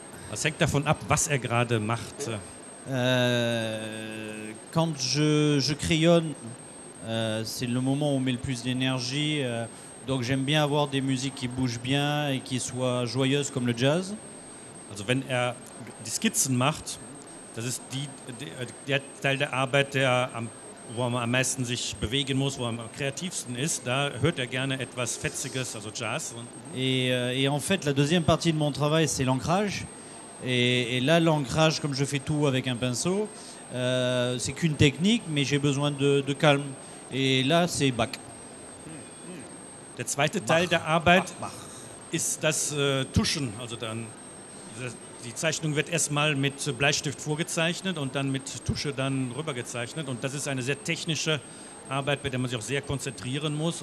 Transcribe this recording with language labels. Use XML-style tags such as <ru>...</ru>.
<de>Das hängt davon ab, was er gerade macht.</de> <fr>Quand je crayonne, c'est le moment où on met le plus d'énergie. Donc j'aime bien avoir des musiques qui bougent bien et qui soient joyeuses comme le jazz.</fr> <de>Also wenn er die Skizzen macht, das ist der Teil der Arbeit, wo man am meisten sich bewegen muss, wo man am kreativsten ist, da hört er gerne etwas Fetziges, also Jazz.</de> <fr>Et en fait, la deuxième partie de mon travail, c'est l'ancrage. Et là, l'ancrage, comme je fais tout avec un pinceau, c'est qu'une technique, mais j'ai besoin de calme. Et là, c'est Bach.</fr> <de>Der zweite Teil der Arbeit ist das Tuschen. Also dann, die Zeichnung wird erstmal mit Bleistift vorgezeichnet und dann mit Tusche dann rübergezeichnet. Und das ist eine sehr technische Arbeit, bei der man sich auch sehr konzentrieren muss.</de>